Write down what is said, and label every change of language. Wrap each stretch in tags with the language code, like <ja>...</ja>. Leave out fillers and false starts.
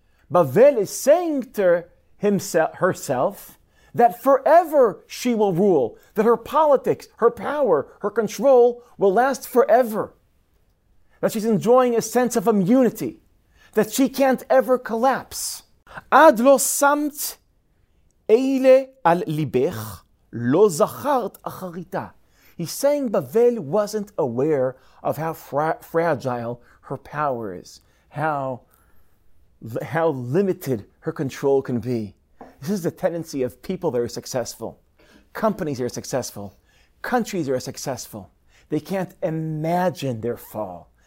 <en>Bavel is saying to herself that forever she will rule, that her politics, her power, her control will last forever, that she's enjoying a sense of immunity, that she can't ever collapse.</en> <he>עד לא שמת אלה על ליבך, לא זכרת אחריתה.</he> <en>He's saying Babel wasn't aware of how fragile her power is, how limited her control can be. This is the tendency of people that are successful. Companies that are successful. Countries that are successful. They can't imagine their fall.</en>